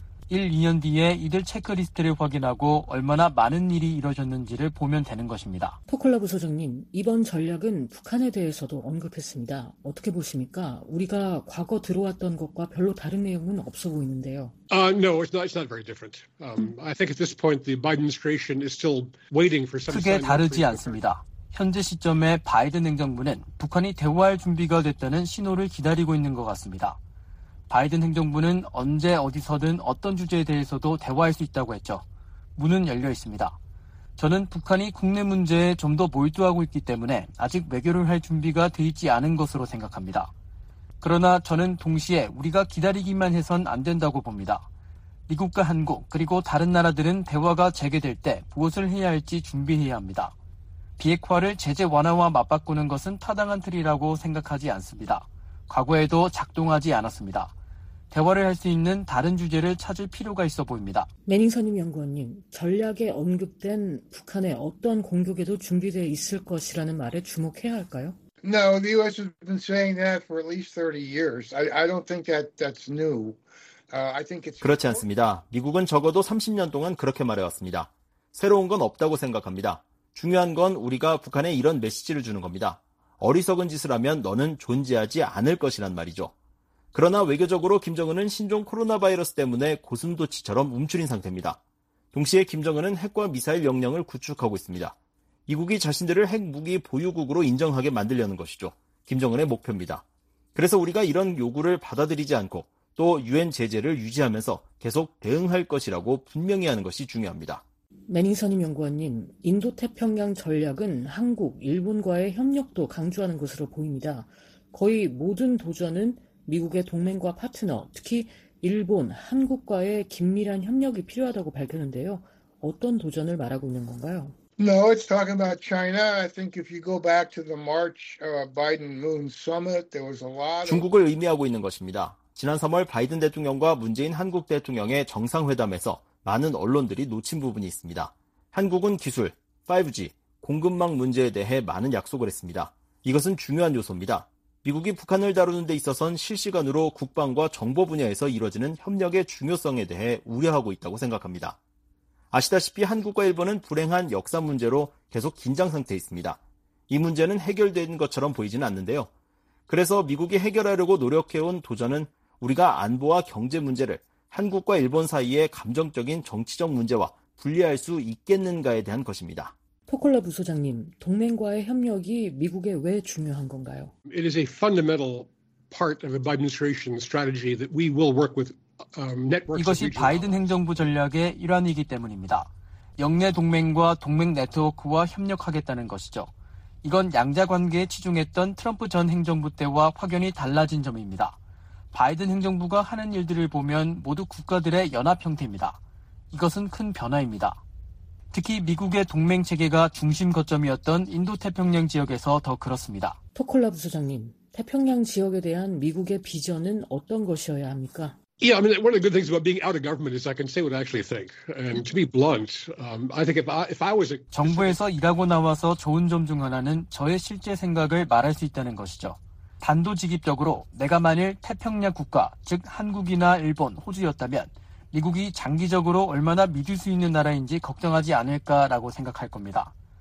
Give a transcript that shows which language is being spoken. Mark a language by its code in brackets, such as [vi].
[ko] 1, 2년 뒤에 이들 체크리스트를 확인하고 얼마나 많은 일이 이뤄졌는지를 보면 되는 것입니다. 포클러브 소장님, 이번 전략은 북한에 대해서도 언급했습니다. 어떻게 보십니까? 우리가 과거 들어왔던 것과 별로 다른 내용은 없어 보이는데요. [en] No, it's not very different. I think at this point the Biden administration is still waiting for some. [ko] 크게 다르지 않습니다. 현재 시점에 바이든 행정부는 북한이 대화할 준비가 됐다는 신호를 기다리고 있는 것 같습니다. 바이든 행정부는 언제 어디서든 어떤 주제에 대해서도 대화할 수 있다고 했죠. 문은 열려 있습니다. 저는 북한이 국내 문제에 좀 더 몰두하고 있기 때문에 아직 외교를 할 준비가 돼 있지 않은 것으로 생각합니다. 그러나 저는 동시에 우리가 기다리기만 해선 안 된다고 봅니다. 미국과 한국 그리고 다른 나라들은 대화가 재개될 때 무엇을 해야 할지 준비해야 합니다. 비핵화를 제재 완화와 맞바꾸는 것은 타당한 틀이라고 생각하지 않습니다. 과거에도 작동하지 않았습니다. 대화를 할 수 있는 다른 주제를 찾을 필요가 있어 보입니다. 매닝선 님 연구원님, 전략에 언급된 북한의 어떤 공격에도 준비되어 있을 것이라는 말에 주목해야 할까요? [en] No, the US has been saying that for at least 30 years. I don't think that's new. I think it's [ko] 그렇지 않습니다. 미국은 적어도 30년 동안 그렇게 말해왔습니다. 새로운 건 없다고 생각합니다. 중요한 건 우리가 북한에 이런 메시지를 주는 겁니다. 어리석은 짓을 하면 너는 존재하지 않을 것이란 말이죠. 그러나 외교적으로 김정은은 신종 코로나 바이러스 때문에 고슴도치처럼 움츠린 상태입니다. 동시에 김정은은 핵과 미사일 역량을 구축하고 있습니다. 미국이 자신들을 핵무기 보유국으로 인정하게 만들려는 것이죠. 김정은의 목표입니다. 그래서 우리가 이런 요구를 받아들이지 않고 또 유엔 제재를 유지하면서 계속 대응할 것이라고 분명히 하는 것이 중요합니다. 매닝선임 연구원님, 인도태평양 전략은 한국, 일본과의 협력도 강조하는 것으로 보입니다. 거의 모든 도전은 미국의 동맹과 파트너, 특히 일본, 한국과의 긴밀한 협력이 필요하다고 밝혔는데요. 어떤 도전을 말하고 있는 건가요? [en] No, it's talking about China. I think if you go back to the March Biden Moon Summit, there was a lot of... [ko] 중국을 의미하고 있는 것입니다. 지난 3월 바이든 대통령과 문재인 한국 대통령의 정상회담에서 많은 언론들이 놓친 부분이 있습니다. 한국은 기술, 5G, 공급망 문제에 대해 많은 약속을 했습니다. 이것은 중요한 요소입니다. 미국이 북한을 다루는 데 있어서는 실시간으로 국방과 정보 분야에서 이뤄지는 협력의 중요성에 대해 우려하고 있다고 생각합니다. 아시다시피 한국과 일본은 불행한 역사 문제로 계속 긴장 상태에 있습니다. 이 문제는 해결된 것처럼 보이지는 않는데요. 그래서 미국이 해결하려고 노력해온 도전은 우리가 안보와 경제 문제를 한국과 일본 사이의 감정적인 정치적 문제와 분리할 수 있겠는가에 대한 것입니다. 포콜라 부소장님, 동맹과의 협력이 미국에 왜 중요한 건가요? [en] It is a fundamental part of the Biden administration's strategy that we will work with networks. [ko] 이것이 바이든 행정부 전략의 일환이기 때문입니다. 영내 동맹과 동맹 네트워크와 협력하겠다는 것이죠. 이건 양자 관계에 치중했던 트럼프 전 행정부 때와 확연히 달라진 점입니다. 바이든 행정부가 하는 일들을 보면 모두 국가들의 연합 형태입니다. 이것은 큰 변화입니다. 특히 미국의 동맹 체계가 중심 거점이었던 인도태평양 지역에서 더 그렇습니다. 토콜라 부소장님, 태평양 지역에 대한 미국의 비전은 어떤 것이어야 합니까? [en] Yeah, I mean, one of the good things about being out of government is I can say what I actually think. And to be blunt, I think if I was a... [ko] 정부에서 일하고 나와서 좋은 점 중 하나는 저의 실제 생각을 말할 수 있다는 것이죠. 단도직입적으로 내가 만일 태평양 국가, 즉 한국이나 일본, 호주였다면 미국이 장기적으로 얼마나 믿을 수 있는 나라인지 걱정하지 않을까라고 생각할 겁니다.